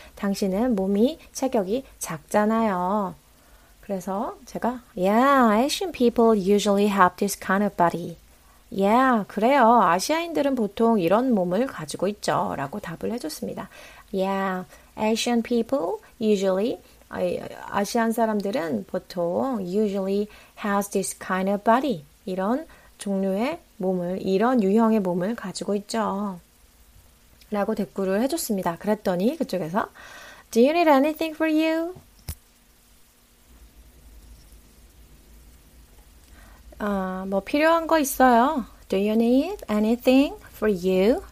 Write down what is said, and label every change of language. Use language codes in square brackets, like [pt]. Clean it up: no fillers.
[ko] 당신은 몸이 체격이 작잖아요. 그래서 제가 [en] Yeah, Asian people usually have this kind of body. [ko] Yeah, 그래요. 아시아인들은 보통 이런 몸을 가지고 있죠. 라고 답을 해줬습니다. [en] Yeah, Asian people usually [ko] 아시안 사람들은 보통 [en] usually has this kind of body. [ko] 이런 종류의 몸을, 이런 유형의 몸을 가지고 있죠. 라고 댓글을 해줬습니다. 그랬더니 그쪽에서 [en] Do you need anything for you? [ko] 뭐 필요한 거 있어요? [en] Do you need anything for you?